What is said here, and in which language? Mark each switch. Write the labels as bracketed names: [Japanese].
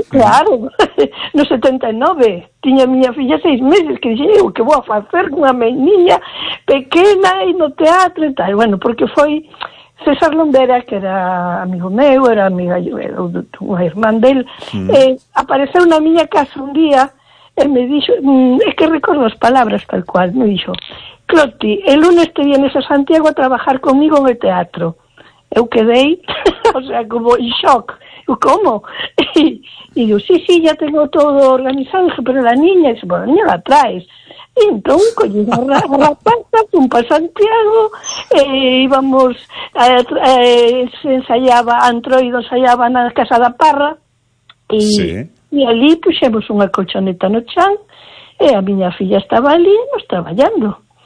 [Galician] Claro, no 79, tiña miña filla 6 meses, que dixen, eu que vou a facer unha meniña pequena e no teatro e tal. Bueno, porque foi César Londera, que era amigo meu, era amiga, era unha irmán del, apareceu na miña casa un día. E me dixo, es que recordo as palabras tal cual, me dixo, [Spanish] Cloti, el lunes te vienes a Santiago a trabajar conmigo en el teatro. [Galician] Eu quedei, o sea, como en shock. Eu, ¿cómo? E digo, [Spanish] sí, ya tengo todo organizado. Dixo, pero la niña, dixo, bueno, la niña la traes. [Galician] E entón, coñe unha rapaza, un pa Santiago, íbamos, se ensayaba, Antroido ensayaba na Casa da Parra. E ali puxemos unha colchoneta no chan e a miña filla estaba ali nos traballando.